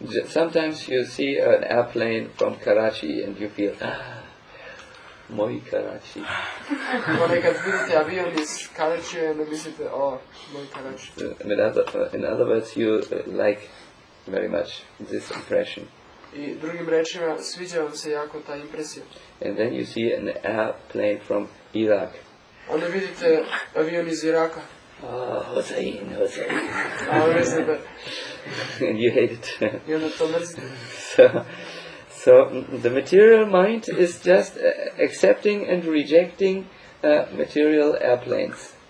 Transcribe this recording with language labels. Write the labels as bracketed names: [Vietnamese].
[English] Sometimes you see an airplane from Karachi and you feel, moj Karachi. [Serbian] Ponekad vidite avion iz Karachi i onda mislite, o, moj Karachi. [English] In other words, you like very much this impression. [Serbian] I drugim rečima, sviđa vam se jako ta impresija. [English] And then you see an airplane from Iraq. [Serbian] Onda vidite avion iz Iraka. [English] Oh, Hussein, Hussein. [Serbian] A ovdje se da... [English] And you hate it. [Serbian] I onda to mrzite. [English] So, the material mind is just accepting and rejecting material airplanes.